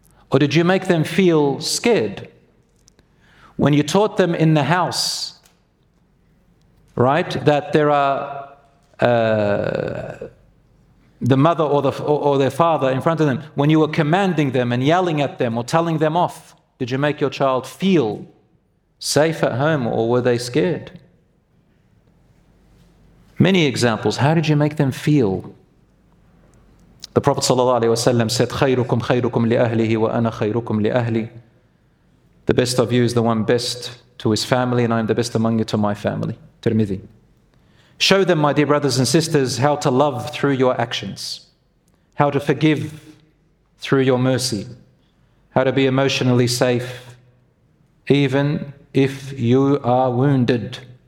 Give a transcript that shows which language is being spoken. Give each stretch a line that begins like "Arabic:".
English: Or did you make them feel scared? When you taught them in the house, right, that there are the mother or their father in front of them, when you were commanding them and yelling at them or telling them off, did you make your child feel safe at home or were they scared? Many examples. How did you make them feel?
Arabic: The Prophet ﷺ said, خَيْرُكُمْ خَيْرُكُمْ لِأَهْلِهِ وَأَنَا خَيْرُكُمْ لِأَهْلِهِ.
English: The best of you is the one best to his family, and I am the best among you to my family. Tirmidhi. Show them, my dear brothers and sisters, how to love through your actions, how to forgive through your mercy, how to be emotionally safe, even if you are wounded.